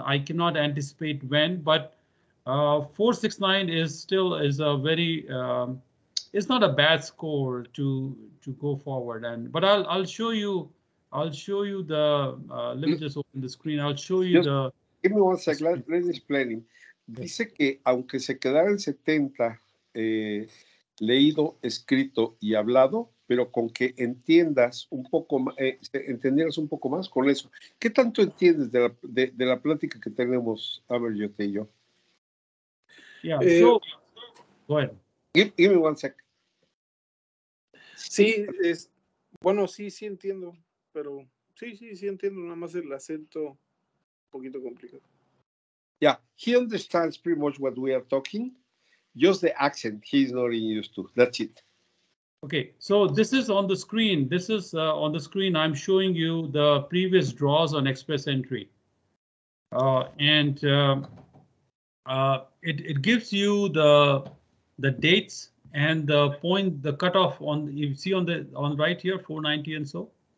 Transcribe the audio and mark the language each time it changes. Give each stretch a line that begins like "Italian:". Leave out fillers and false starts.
English: I cannot anticipate when, but 469 is still a very it's not a bad score to go forward. And but I'll show you the let me just open the screen. I'll show you the. Give me one second. Let me explain.
Spanish: Dice que aunque se quedara en 70 leído, escrito y hablado, pero con que entiendas un poco más, entendieras un poco más con eso. ¿Qué tanto entiendes de la plática que tenemos, Amarjot y yo?
English: Yeah, so, give me one second.
Spanish: Sí, sí entiendo, pero sí entiendo, nada más el acento.
English: Yeah, he understands pretty much what we are talking, just the accent he's not used to. That's it. Okay, so this is on the screen. This is on the screen. I'm showing you the previous draws on express entry. It gives you the dates and the point, the cutoff on, you see on the on right here, 490 and so.